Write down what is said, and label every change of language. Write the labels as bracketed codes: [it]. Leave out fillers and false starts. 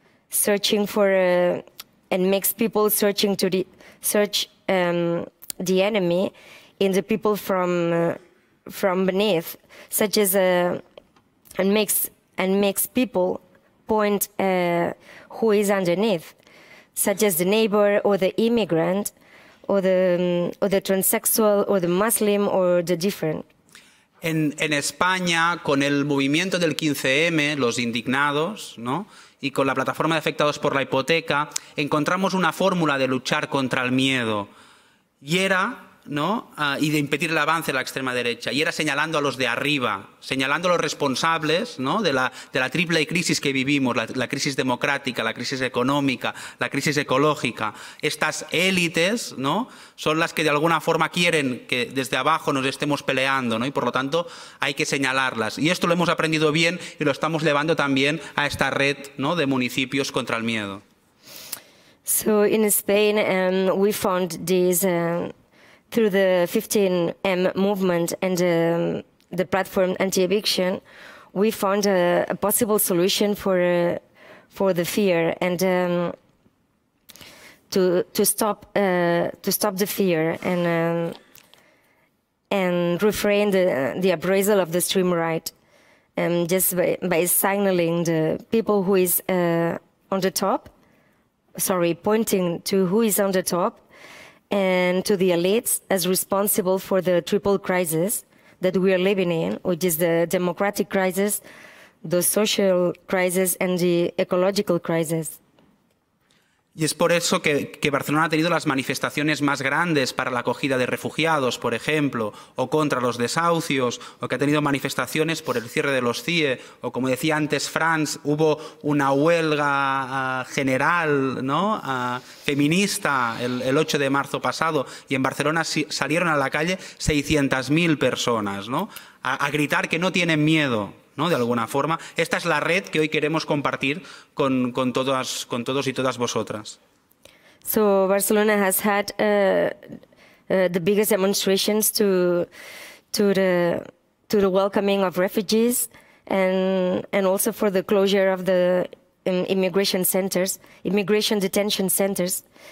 [en] searching for and makes people searching to the search the enemy in the people from beneath, such as and makes people point who is underneath, such as the neighbor or the immigrant or the transsexual or the Muslim or the different. [es] En España, con el movimiento del 15M, los indignados, ¿no? Y con la plataforma de afectados por la hipoteca, encontramos una fórmula de luchar contra el miedo. Y era, ¿no? Y de impedir el avance de la extrema derecha. Y era señalando a los de arriba, señalando a los responsables, ¿no? De la triple crisis que vivimos, la crisis democrática, la crisis económica, la crisis ecológica. Estas élites, ¿no? Son las que de alguna forma quieren que desde abajo nos estemos peleando, ¿no? Y por lo tanto hay que señalarlas. Y esto lo hemos aprendido bien y lo estamos llevando también a esta red, ¿no? De municipios contra el miedo. [en] So in Spain, we found this, through the 15M movement and the platform anti-eviction, we found a possible solution for the fear and to stop the fear and refrain the appraisal of the extreme right, just by signaling the people who is on the top, sorry, pointing to who is on the top and to the elites as responsible for the triple crisis that we are living in, which is the democratic crisis, the social crisis and the ecological crisis. [es] Y es por eso que Barcelona ha tenido las manifestaciones más grandes para la acogida de refugiados, por ejemplo, o contra los desahucios, o que ha tenido manifestaciones por el cierre de los CIE, o como decía antes Franz, hubo una huelga general, ¿no? Feminista el 8 de marzo pasado, y en Barcelona salieron a la calle 600.000 personas, ¿no? A gritar que no tienen miedo, ¿no? De alguna forma. Esta es la red que hoy queremos compartir con todos y todas vosotras. [en] So Barcelona has had the biggest demonstrations to to the welcoming of refugees and also for the closure of the immigration centers, immigration detention centers.